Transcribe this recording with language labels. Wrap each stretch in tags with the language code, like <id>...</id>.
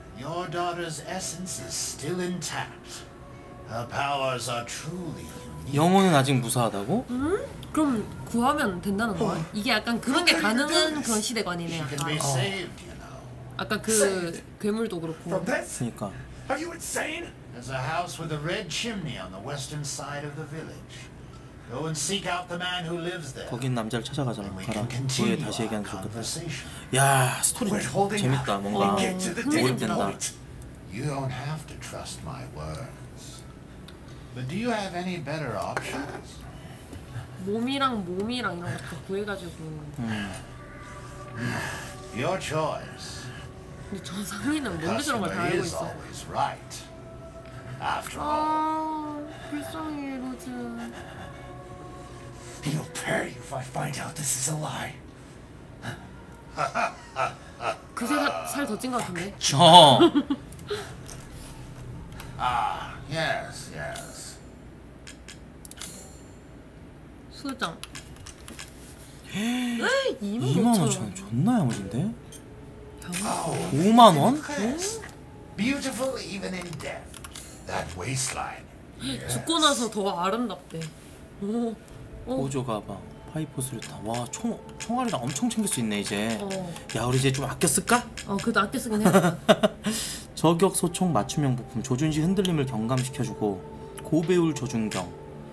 <en>Your daughter's essence is still intact. Her powers are truly unique.</en> <ko>영혼은 아직 무사하다고? 응? 그럼 구하면 된다는 거야? 이게 약간 그런 게 가능한 그런 시대관이네. 약간.</ko> <en>She can be saved, you know.</en> <ko>아까 그 괴물도 그렇고. 그러니까.</ko> <en>Are you insane? There's a house with a red chimney on the western side of the village. Go and seek out the man who lives there.</en> <ko>거긴 남자를 찾아가자. 가라. 뒤에 다시 얘기하는 것 같다. 야, 스토리 재밌다. 뭔가 몰입된다.</ko> <en>You don't have to trust my words. But do you have any better options?</en> <ko>몸이랑 이런 것도 구해가지고.</ko> <en>Your choice.</en> <ko>근데 저 상인은 뭔데 저런 걸 다 알고 있어.</ko> <en>Always right. After all.</en> <ko>불쌍해, 로즈.</ko> <en>He'll pay you if I find out this is a lie.</en> <ko>그새 살 더 찐 것 같은데. 저.</ko> <en>yes.</en> <ko>수정. 에이, 25,000원 존나 야무진데. 5만 원?</ko> <en>Beautiful even in death. That waistline.</en> <ko>죽고 나서 더 아름답대. 오. 보조 가방, 파이프 스루타. 와, 총알이랑 엄청 챙길 수 있네 이제. 야, 우리 이제 좀 아껴 쓸까? 그래도 아껴 쓰긴 해. 저격 소총 맞춤형 부품. 조준 시 흔들림을 경감시켜주고 고배율 조준경.</ko>